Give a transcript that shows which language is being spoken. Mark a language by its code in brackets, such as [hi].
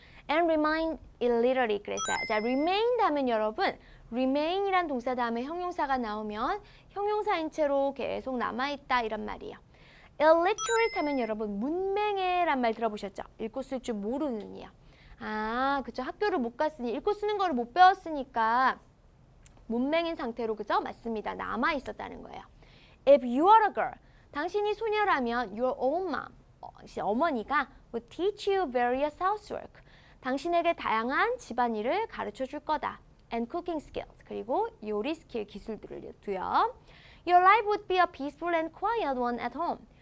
[en] And remain illiterate [ko] 그랬어요. 자, remain 하면 여러분 remain이란 동사 다음에 형용사가 나오면 형용사인 채로 계속 남아있다 이런 말이에요. Illiterate 하면 여러분 문맹해란 말 들어보셨죠? 읽고 쓸 줄 모르는 이야. 아, 그쵸. 학교를 못 갔으니 읽고 쓰는 걸 못 배웠으니까 문맹인 상태로 그죠? 맞습니다. 남아있었다는 거예요. [en] If you are a girl, [ko] 당신이 소녀라면 [en] your own mom, [ko] 어머니가 [en] would teach you various housework. [ko] 당신에게 다양한 집안일을 가르쳐줄 거다. [en] And cooking skills, [ko] 그리고 요리 스킬 기술들을 두요. [en] Your life would be a peaceful and quiet one at home.